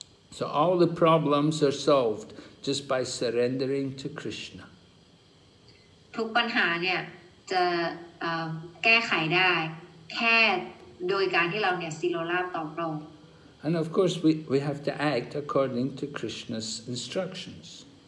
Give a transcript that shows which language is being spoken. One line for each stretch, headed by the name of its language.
English: So all the problems are solved just by surrendering to Krishna.
Thai: ทุกปัญหาเนี่ยจะแก้ไขได้แค่โดยการที่เราเนี่ยศิโลลาภต่อพระองค์
English: And of course, we have to act according to Krishna's instructions.